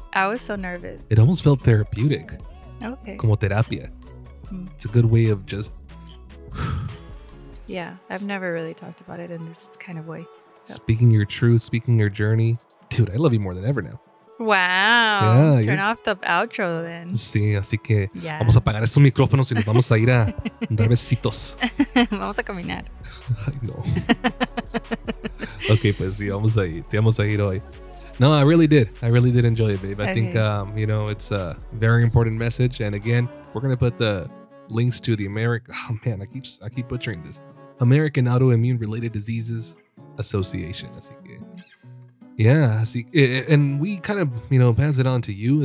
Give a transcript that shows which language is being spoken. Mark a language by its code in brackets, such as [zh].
[en] I was so nervous. It almost felt therapeutic. Okay. [es] Como terapia. [en] Mm. It's a good way of just... Yeah, I've never really talked about it in this kind of way. So. Speaking your truth, speaking your journey. Dude, I love you more than ever now. Wow. Yeah, Turn off the outro then. [es] Sí, así que vamos a apagar estos micrófonos y nos vamos a ir a dar besitos. Vamos a caminar. Ay, no. Okay, pues sí, vamos a ir. Sí, vamos a ir hoy. [en] No, I really did. I really did enjoy it, babe. I think, you know, it's a very important message. And again, we're going to put the links to the American... Oh, man, I keep butchering this. American Autoimmune Related Diseases Association. [es] Así que... [en] Yeah, see, and we kind of, you know, pass it on to you.